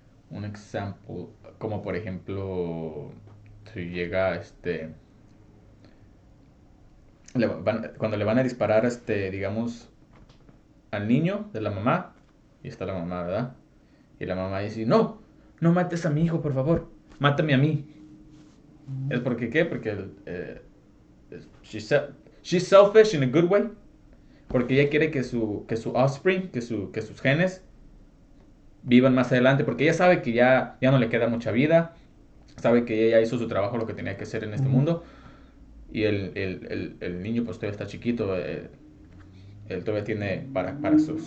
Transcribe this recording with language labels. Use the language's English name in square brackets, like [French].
[Spanish] Un example. Como por ejemplo... Si llega este... cuando le van a disparar este... Digamos... Al niño de la mamá. Y está la mamá, ¿verdad? Y la mamá dice... ¡No! ¡No mates a mi hijo, por favor! ¡Mátame a mí! Uh-huh. ¿Es porque qué? Porque el... [English] She's selfish in a good way. [Spanish] Porque ella quiere que su offspring, que sus genes vivan más adelante. Porque ella sabe que ya no le queda mucha vida. Sabe que ella hizo su trabajo, lo que tenía que hacer en este uh-huh. mundo. Y el niño pues todavía está chiquito. Él todavía tiene para su...